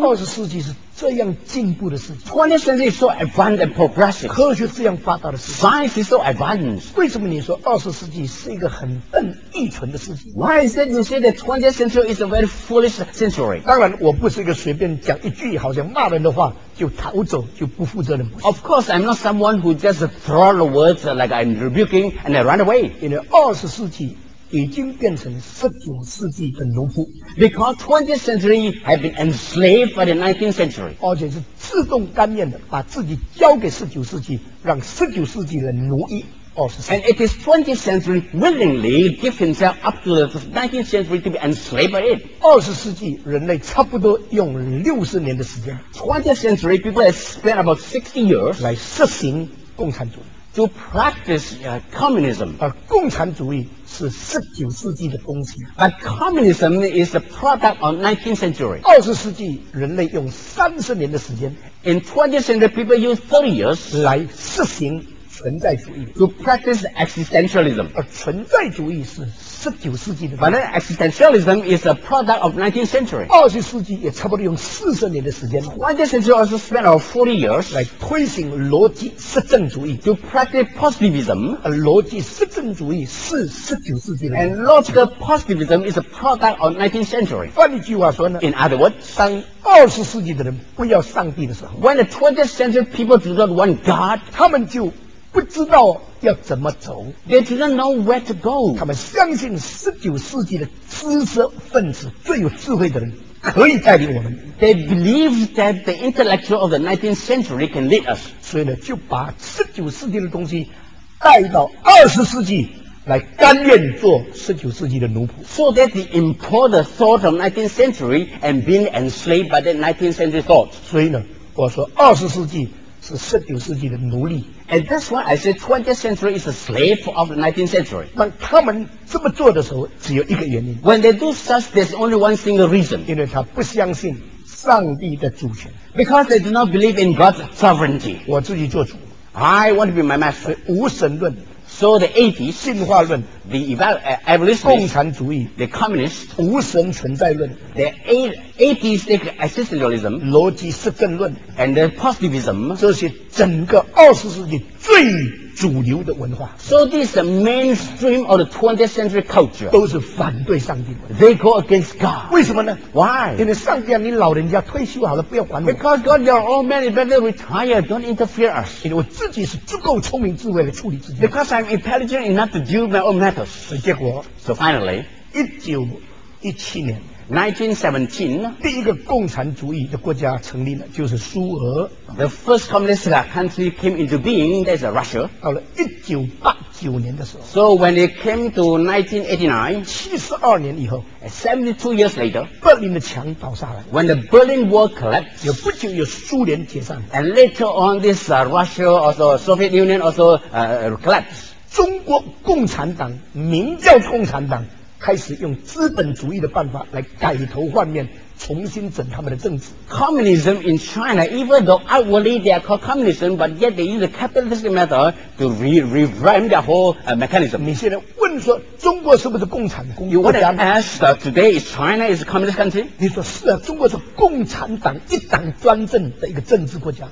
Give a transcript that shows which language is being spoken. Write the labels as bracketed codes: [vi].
[zh] 20世纪是这样进步的世纪 [en] 20th century is so advanced and progressive [zh] 科学这样发达的世纪 [en] Science is so advanced [zh] 为什么你说20世纪是一个很笨愚蠢的世纪 [en] Why is that you say that 20th century is a very foolish century [zh] 当然我不是一个随便讲一句好像骂人的话就逃走就不负责任 [en] Of course I'm not someone who just throw the words like I'm rebuking and I run away [zh] 因为20世纪已经变成19世纪的奴仆 [en] Because 20th century have been enslaved by the 19th century [zh] 而且是自动甘愿的把自己交给19世纪让19世纪的奴役 [en] And it is 20th century willingly give himself up to the 19th century to be enslaved by it. 20th century, [zh] 人类差不多用60年的时间 [en] 20th century, people have spent about 60 years [zh] 来实行共产主义 [en] to practice communism. [zh] 而共产主义是19世纪的东西 [en] But communism is the product of 19th century. [zh] 20世纪人类用30年的时间 [en] In 20th century, people use 30 years [zh] 来实行存在主义 [en] to practice existentialism. [zh] 而存在主义是十九世纪的。 [en] But then existentialism is a product of 19th century. [zh] 二十世纪也差不多用四十年的时间。 [en] 19th century also spent about 40 years [zh] 来推行逻辑实证主义 [en] to practice positivism. [zh] 而逻辑实证主义是十九世纪的。 [en] And logical positivism is a product of 19th century. [zh] 换一句话说呢 [en] ？In other words, [zh] 当二十世纪的人不要上帝的时候 [en] ，When the 20th century people do not want God, [zh] 他们就不知道要怎么走 [en] ，They do not know where to go。 [zh] 他们相信十九世纪的知识分子最有智慧的人可以带领我们。 [en] They believe that the intellectual of the 19th century can lead us。 [zh] 所以呢，就把十九世纪的东西带到二十世纪来，甘愿做十九世纪的奴仆。 [en] So that they import the thought of 19th century and being enslaved by the 19th century thought。 [zh] 所以呢，我说二十世纪是十九世纪的奴隶。 [en] And that's why I say 20th century is a slave of the 19th century. [zh] 当他们这么做的时候，只有一个原因。 [en] When they do such, there's only one single reason. [zh] 因为他不相信上帝的主权。 [en] Because they do not believe in God's sovereignty. [zh] 我自己做主。 [en] I want to be my master. [zh] 无神论。 [en] So the atheist, [zh] 进化论。 [en] The evolutionist, [zh] 共产主义。 [en] The communist, [zh] 无神存在论。 [en] The atheistic existentialism, [zh] 逻辑实证论。 [en] And the positivism, [zh] 这是整个二十世纪最主流的文化。 [en] So this is the mainstream of the 20th century culture. [zh] 都是反对上帝的。 [en] They go against God. [zh] 为什么呢 [en] ？Why? [zh] 因为上帝啊，你老人家退休好了，不要管我。 [en] Because God, you're old man, you better retire. Don't interfere us. [zh] 因为我自己是足够聪明智慧的处理自己。 [en] Because I'm intelligent enough to deal my own matters. [zh] 所以结果 [en] ，So finally, [zh] 1917年。 [en] 1917, [zh] 第一个共产主义的国家成立了，就是苏俄。 [en] The first communist country came into being, that's Russia. [zh] 到了1989年的时候。 [en] So when it came to 1989, [zh] 72年以后。 [en] 72 years later, [zh] Berlin 的墙倒下来。 [en] When the Berlin Wall collapsed, [zh] 有不久有苏联解散。 [en] And later on, this Russia, also Soviet Union, also collapsed. [zh] 中国共产党，名叫共产党。开始用资本主义的办法来改头换面，重新整他们的政治。 [en] Communism in China, even though outwardly they are called communism, but yet they use the capitalist method to revamp their whole mechanism. [zh] 你现在问说中国是不是共产 [en] 国家？ You want to ask that today is China is a communist country? [zh] 你说是啊，中国是共产党一党专政的一个政治国家。